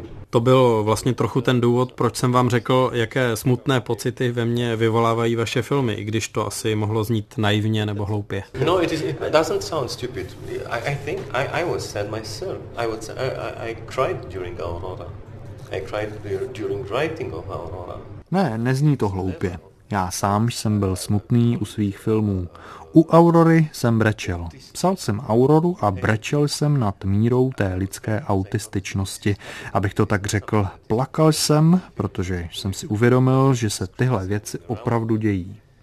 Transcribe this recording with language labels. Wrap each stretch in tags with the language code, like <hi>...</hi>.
<cs>To byl vlastně trochu ten důvod, proč jsem vám řekl, jaké smutné pocity ve mně vyvolávají vaše filmy, i když to asi mohlo znít naivně nebo hloupě.</cs> <en>No, it doesn't sound stupid. I think I was sad myself. I cried during Aurora. I cried during writing of Aurora.</en> <cs>Ne, nezní to hloupě. Já sám jsem byl smutný u svých filmů. U Aurory jsem brečel. Psal jsem Auroru a brečel jsem nad mírou té lidské autističnosti. Abych to tak řekl, plakal jsem, protože jsem si uvědomil, že se tyhle věci opravdu dějí.</cs>